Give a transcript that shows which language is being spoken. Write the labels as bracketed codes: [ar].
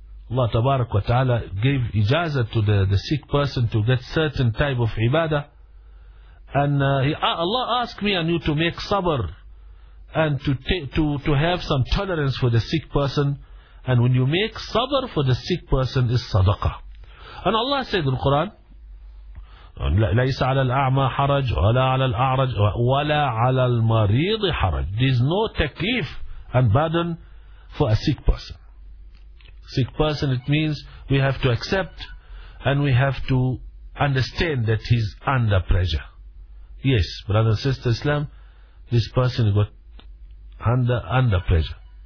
[en] Allah Tabarak wa Ta'ala gave ijazah to the sick person to get certain type of ibadah. And Allah asked me and you to make sabr and to have some tolerance for the sick person. And when you make sabr for the sick person is sadaqah. And Allah said in the Quran, [ar] لَيْسَ عَلَى الْأَعْمَى حَرَجْ وَلَا عَلَى الْأَعْرَجْ وَلَا عَلَى الْمَرِيضِ حَرَجْ. [en] There is no taklif and burden for a sick person. Sick person, it means we have to accept and we have to understand that he's under pressure. Yes, brother and sister Islam, this person got under pressure.